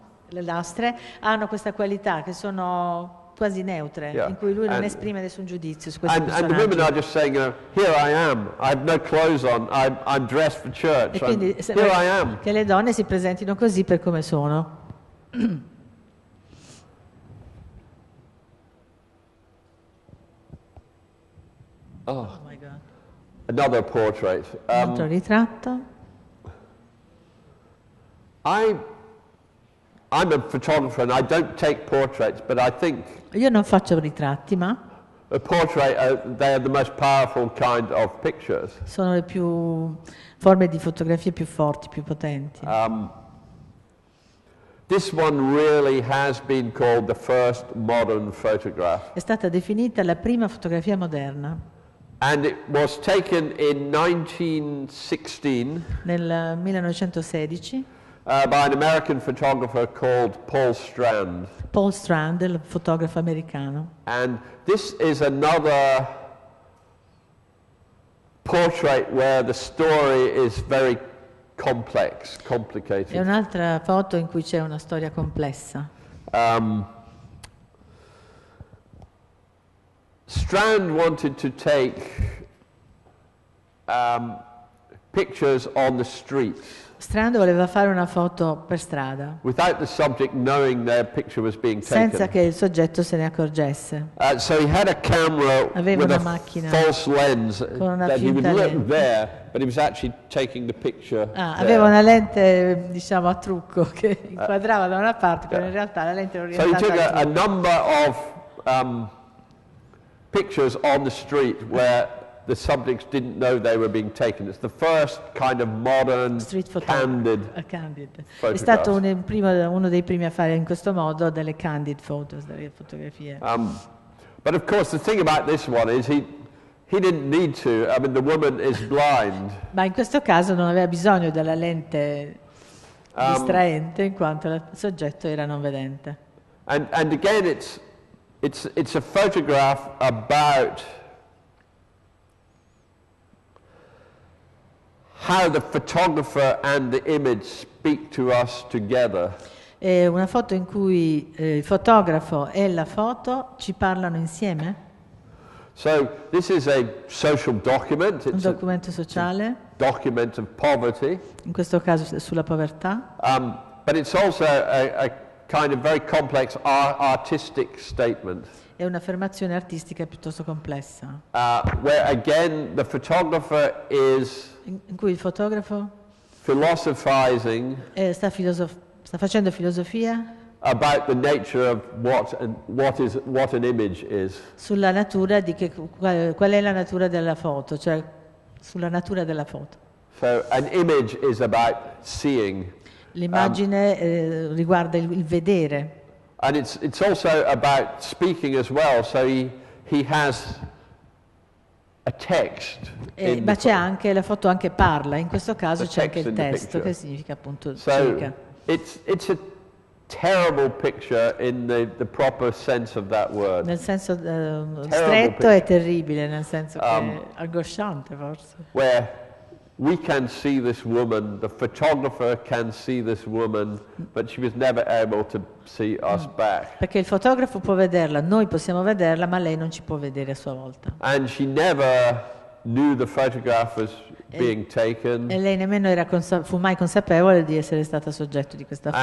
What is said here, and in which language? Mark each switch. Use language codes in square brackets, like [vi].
[it] Le lastre hanno questa qualità che sono quasi neutre, [en] yeah. [it] In cui lui non esprime nessun giudizio su questo personaggio. [en] And the women are just saying, here I am, I have no clothes on, I'm dressed for church, here I am. [it] Che le donne si presentino così per come sono. [en] Oh, my God. Another portrait. [it] Altro ritratto. [en] I'm a photographer and I don't take portraits, but I think [it] io non faccio ritratti, ma [en] a portrait they are the most powerful kind of pictures. [it] Sono le più forme di fotografie più forti, più potenti. [en] This one really has been called the first modern photograph. [it] È stata definita la prima fotografia moderna. [en] And it was taken in 1916. [it] Nel 1916. [en] By an American photographer called Paul Strand. [it] Paul Strand, il fotografo americano. [en] And this is another portrait where the story is very complex, complicated. [it] È un'altra foto in cui c'è una storia complessa. [en] Strand wanted to take pictures on the streets. [it] Strand voleva fare una foto per strada. [en] Without the subject knowing their picture was being taken. [it] Senza che il soggetto se ne accorgesse. [en] So he had a camera with a false lens that he would look there, but he was actually taking the picture. [it] Aveva una lente, diciamo, a trucco che inquadrava da una parte, però in realtà la lente era orientata. [en] So he took a number of pictures on the street where the subjects didn't know they were being taken. It's the first kind of modern street candid. [it] È stato uno dei primi a fare in questo modo delle candid photos, delle fotografie. [en] But of course the thing about this one is he didn't need to. I mean the woman is blind. [it] Ma in questo caso non aveva bisogno della lente distraente in quanto il soggetto era non vedente. [en] And again it's a photograph about how the photographer and the image speak to us together. [it] È una foto in cui il fotografo e la foto ci parlano insieme. [en] So this is a social document. [it] Un documento sociale. [en] A document of poverty. [it] In questo caso sulla povertà. [en] But it's also a kind of very complex artistic statement. [it] È un'affermazione artistica piuttosto complessa. [en] Where again the photographer is [it] in cui il fotografo [en] philosophizing [it] sta facendo filosofia [en] about the nature of what an image is. [it] Sulla natura di che qual è la natura della foto, cioè sulla natura della foto. [en] So an image is about seeing. [it] L'immagine riguarda il vedere. [en] And it's also about speaking as well. So he has a text. [it] Ma c'è anche la foto anche parla. In questo caso c'è anche il testo che significa appunto circa. [en] So it's a terrible picture in the proper sense of that word. [it] Nel senso stretto è terribile, nel senso che angosciante forse. [en] Where we can see this woman, the photographer can see this woman, but she was never able to see us back. [it] Perché il fotografo può vederla, noi possiamo vederla, ma lei non ci può vedere a sua volta. [en] And she never knew the photograph was being taken. [it] E lei nemmeno fu mai consapevole di essere stata soggetto di questa foto.